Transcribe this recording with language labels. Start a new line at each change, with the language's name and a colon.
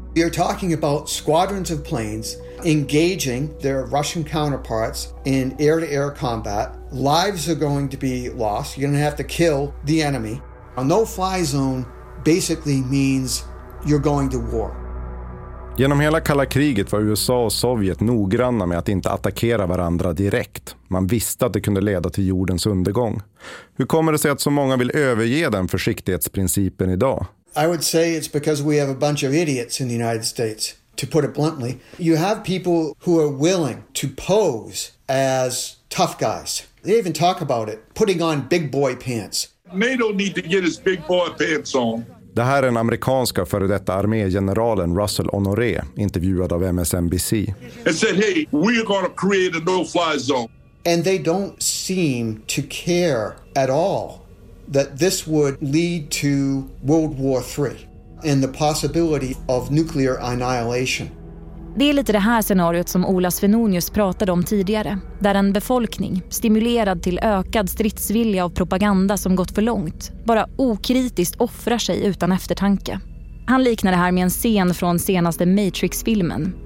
English: You're talking about squadrons of planes engaging their Russian counterparts in air-to-air combat. Lives are going to be lost. You're going to have to kill the enemy. A no-fly zone basically means you're going to war.
Swedish: Genom hela kalla kriget var USA och Sovjet noggranna med att inte attackera varandra direkt. Man visste att det kunde leda till jordens undergång. Hur kommer det sig att så många vill överge den försiktighetsprincipen idag?
English: I would say it's because we have a bunch of idiots in the United States, to put it bluntly. You have people who are willing to pose as tough guys. They even talk about it, putting on big boy pants. NATO need to get his big boy pants on.
Swedish: Det här är den amerikanska före detta armégeneralen Russell Honoré, intervjuad av MSNBC.
English: And said, hey, we are going to create a no-fly zone. And they don't seem to care at all that this would lead to World War III and the possibility of nuclear annihilation.
Swedish: Det är lite det här scenariot som Ola Svenonius pratade om tidigare, där en befolkning, stimulerad till ökad stridsvilja av propaganda som gått för långt, bara okritiskt offrar sig utan eftertanke. Han liknar det här med en scen från senaste Matrix-filmen.